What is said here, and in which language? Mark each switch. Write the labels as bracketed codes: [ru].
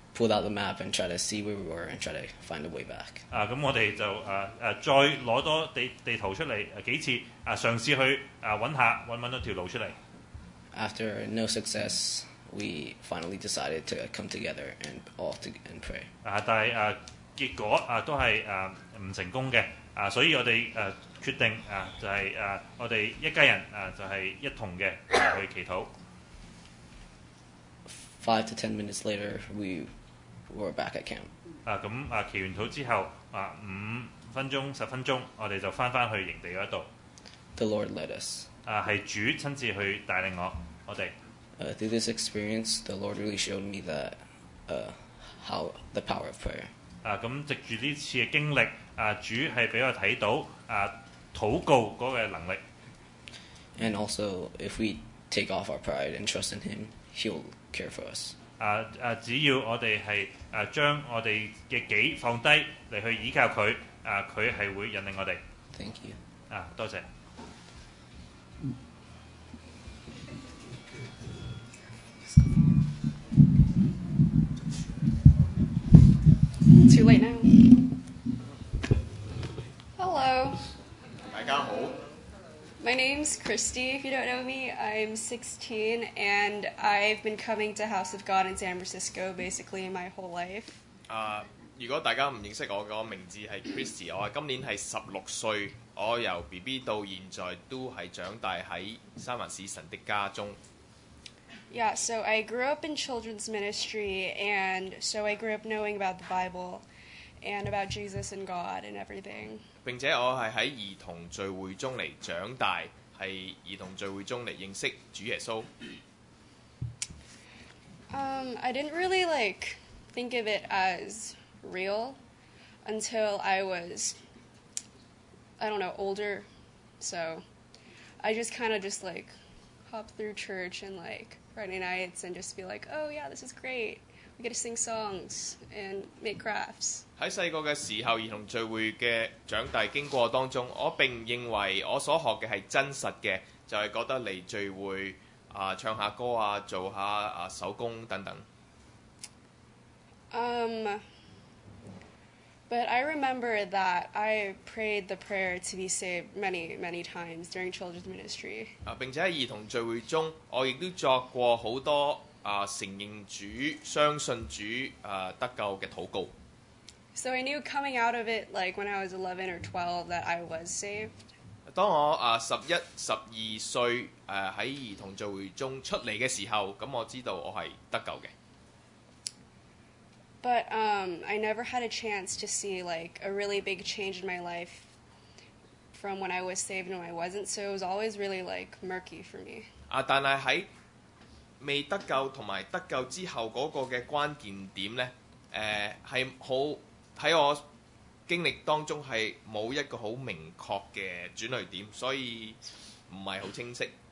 [en] Pull out the map and try to see where we were and try to find a way back. [yue] 咁我哋就再攞多地圖出嚟幾次嘗試去揾到條路出嚟。 [en] After no success, we finally decided to come together and all together and pray. [yue] 但係結果都係唔成功嘅所以我哋決定就係我哋一家人就係一同嘅去祈禱。 [en] 5 to 10 minutes later, we're back at camp. [yue] 咁祈完禱之後，五分鐘、十分鐘，我哋就翻去營地嗰度。 [en] The Lord led us. [yue] 係主親自去帶領我哋。 [en] Through this experience, the Lord really showed me that how the power of prayer. [yue] 咁藉住呢次嘅經歷，主係俾我睇到禱告嗰個能力。 [en] And also, if we take off our pride and trust in Him, He'll care for us. [yue] 只要我哋係將我哋嘅己放低嚟去依靠佢，佢係會引領我哋。 [en] Thank you。 [yue] 多謝。 [en] Too late now. Hello。 [yue] 大家好。 [en] My name name's Christy, if you don't know me. I'm 16, and I've been coming to House of God in San Francisco basically my whole life. [yue] 如果大家唔認識我嘅，我名字係 Christy， 我今年係16歲，我由 BB 到現在都係長大喺三藩市神的家中。 [en] Yeah, so I grew up in children's ministry, and so I grew up knowing about the Bible and about Jesus and God and everything. [yue] 並且我係喺兒童聚會中嚟長大，係兒童聚會中嚟認識主耶穌。 [en] I didn't really like think of it as real until I was, I don't know, older. So I just kind of just like hop through church and like. Friday nights and just be like, oh yeah, this is great. We get to sing songs and make crafts. [yue] 在小個的時候，兒童聚會的長大經過當中，我並認為我所學的是真實的，就是覺得來聚會唱下歌啊，做下手工等等。 [en] But I remember that I prayed the prayer to be saved many, many times during children's ministry. [yue] 並且在兒童聚會中，我亦都作過好多承認主、相信主得救的禱告。 [en] So I knew coming out of it, like when I was 11 or 12, that I was saved. [yue] 當我11、12歲在兒童聚會中出來的時候，咁我知道我是得救的。 [en] But I never had a chance to see like a really big change in my life from when I was saved and when I wasn't. So it was always really like murky for me. [yue] 但係喺未得救同埋得救之後嗰個嘅關鍵點咧，係好喺我經歷當中係冇一個好明確嘅轉捩點，所以唔係好清晰。